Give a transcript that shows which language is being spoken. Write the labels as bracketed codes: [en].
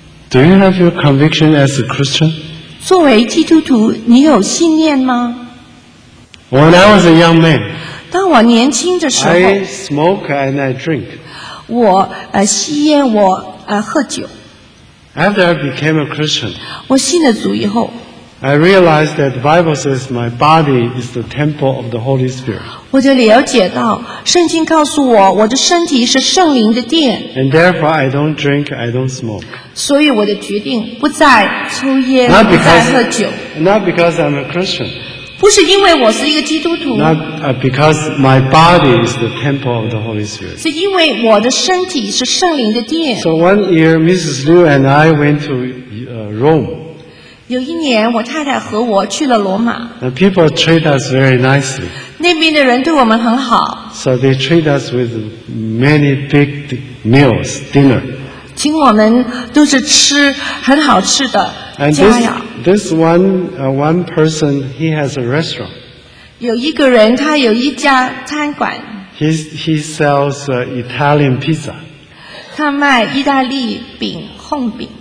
[en] Do you have your conviction as a Christian? [zh] 作为基督徒，你有信念吗？ [en] When I was a young man. [zh] 当我年轻的时候。 [en] I smoke and I drink. [zh] 我吸烟，我喝酒。 [en] After I became a Christian. [zh] 我信了主以后。 [en] I realized that the Bible says my body is the temple of the Holy Spirit. [zh] 我就了解到，圣经告诉我，我的身体是圣灵的殿。 [en] And therefore, I don't drink, I don't smoke. [zh] 所以我的决定不再抽烟，不再喝酒。 [en] Not because I'm a Christian. [zh] 不是因为我是一个基督徒。 [en] Not because my body is the temple of the Holy Spirit. [zh] 是因为我的身体是圣灵的殿。 [en] So one year, Mrs. Liu and I went to Rome. [zh] 有一年，我太太和我去了罗马。 [en] The people treat us very nicely. [zh] 那边的人对我们很好。 [en] So they treat us with many big meals, dinner. [zh] 请我们都是吃很好吃的佳肴。 [en] This one person, he has a restaurant. [zh] 有一个人，他有一家餐馆。 [en] He sells Italian pizza. [zh] 他卖意大利饼、烘饼。